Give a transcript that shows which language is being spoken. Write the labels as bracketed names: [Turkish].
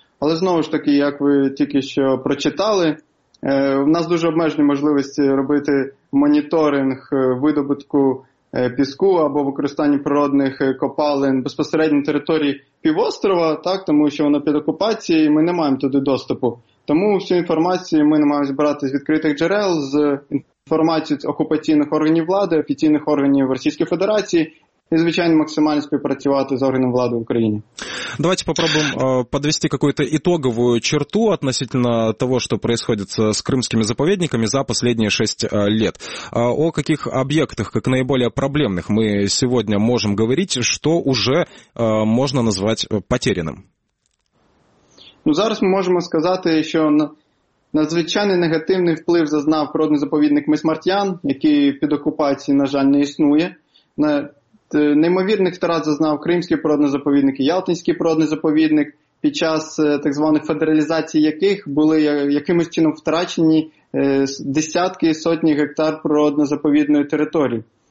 [Ukrainian] Але, знову ж таки, як ви тільки що прочитали, в нас дуже обмежені можливості робити моніторинг видобутку піску або використання природних копалин безпосередньо на території півострова, так, тому що воно під окупацією, і ми не маємо туди доступу. Тому всю інформацію ми маємо збирати з відкритих джерел, з інформацією окупаційних органів влади, офіційних органів Російської Федерації і, звичайно, максимально співпрацювати з органами влади в Україні. [Russian] Давайте попробуем подвести какую-то итоговую черту относительно того, что происходит с крымскими заповедниками за последние 6 лет. О каких объектах, как наиболее проблемных, мы сегодня можем говорить, что уже можно назвать потерянным? [Ukrainian] Ну, зараз ми можемо сказати, що надзвичайний негативний вплив зазнав природний заповідник Мисмартян, який під окупацією, на жаль, не існує. Неймовірних втрат зазнав Кримський природний заповідник і Ялтинський природний заповідник, під час так званих федералізацій яких були якимось чином втрачені десятки і сотні гектар природно-заповідної території.